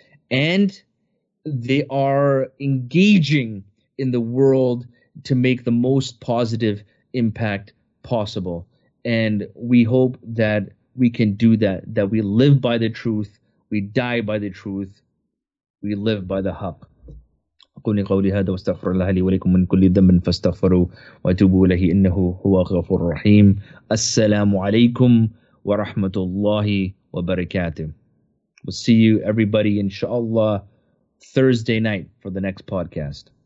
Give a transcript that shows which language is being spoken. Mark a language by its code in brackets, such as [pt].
[en] And they are engaging in the world to make the most positive impact possible. And we hope that we can do that, that we live by the truth, we die by the truth, we live by the haq. [ar] أقولي قولي هذا واستغفر الله لي ولكم من كل ذنب فاستغفروا وتوبوا إليه إنه هو الغفور الرحيم. السلام عليكم ورحمة الله وبركاته. [en] We'll see you everybody inshallah Thursday night for the next podcast.